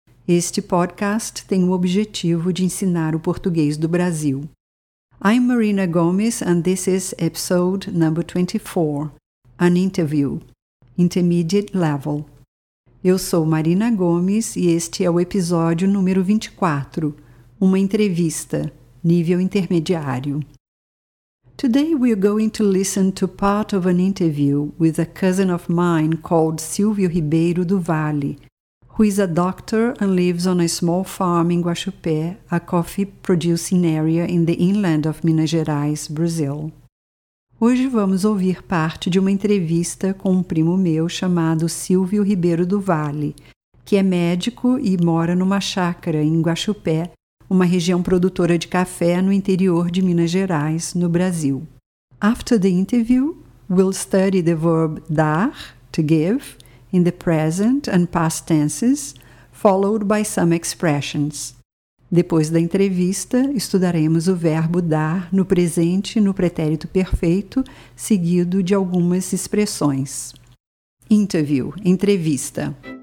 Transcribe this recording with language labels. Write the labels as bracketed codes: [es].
[pt] Este podcast tem o objetivo de ensinar o português do Brasil. [en] I'm Marina Gomes and this is episode number 24, an interview, intermediate level. [pt] Eu sou Marina Gomes e este é o episódio número 24, uma entrevista, nível intermediário. [en] Today we are going to listen to part of an interview with a cousin of mine called Silvio Ribeiro do Vale, who is a doctor and lives on a small farm in Guaxupé, a coffee-producing area in the inland of Minas Gerais, Brazil. [pt] Hoje vamos ouvir parte de uma entrevista com um primo meu chamado Silvio Ribeiro do Vale, que é médico e mora numa chácara em Guaxupé, uma região produtora de café no interior de Minas Gerais, no Brasil. [en] After the interview, we'll study the verb dar, to give, in the present and past tenses, followed by some expressions. [pt] Depois da entrevista, estudaremos o verbo dar no presente e no pretérito perfeito, seguido de algumas expressões. [en] Interview, entrevista.